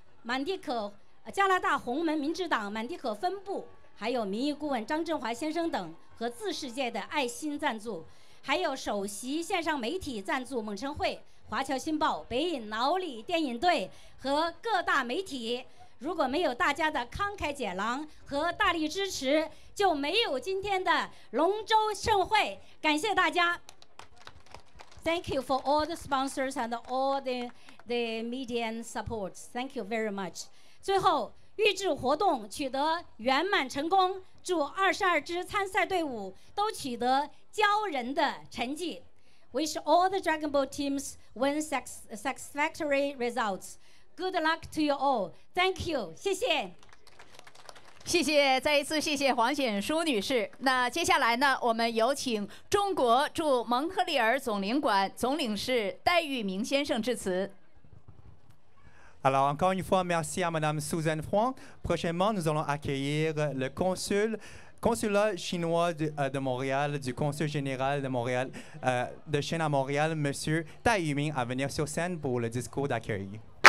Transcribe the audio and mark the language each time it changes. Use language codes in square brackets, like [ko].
[zh] 满地可加拿大红门民主党满地可分部，还有民意顾问张振华先生等和自世界的爱心赞助，还有首席线上媒体赞助蒙城会、华侨新报、北影老李电影队和各大媒体。如果没有大家的慷慨解囊和大力支持，就没有今天的龙舟盛会。感谢大家。 [en] Thank you for all the sponsors and all the media and support. Thank you very much. [zh] 最后，预制活动取得圆满成功，祝22支参赛队伍都取得骄人的成绩。 [en] Wish all the Dragon Boat teams win satisfactory results. Good luck to you all. Thank you. [zh] 谢谢。谢谢，再一次谢谢黄显淑女士。那接下来呢，我们有请中国驻蒙特利尔总领馆总领事戴玉明先生致辞。 [fr] Alors, encore une fois, merci à Mme Suzanne Huang. Prochainement, nous allons accueillir le consulat chinois de Montréal, du consul général de Montréal, de Chine à Montréal, M. Dai Yuming, à venir sur scène pour le discours d'accueil.